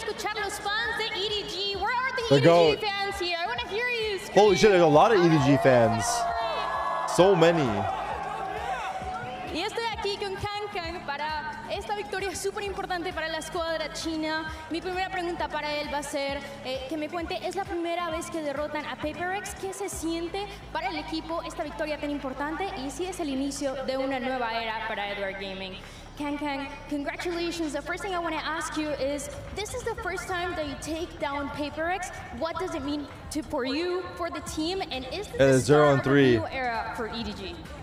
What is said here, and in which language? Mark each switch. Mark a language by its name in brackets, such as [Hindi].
[English] EDG fans here. I want to hear you scream. Holy shit, there's a lot of EDG fans. So many. [Spanish] Y estoy aquí con Kang Kang para esta victoria súper importante para la escuadra china. Mi primera pregunta para él va a ser que me cuente, ¿es la primera vez que derrotan a PRX? ¿Qué se siente para el equipo esta victoria tan importante? Y si es el inicio de una nueva era para Edward Gaming. [English] Kang Kang, congratulations. The first thing I want to ask you is, this is the first time that you take down PRX. What does it mean to for you, for the team, and is this the start of a new era for EDG?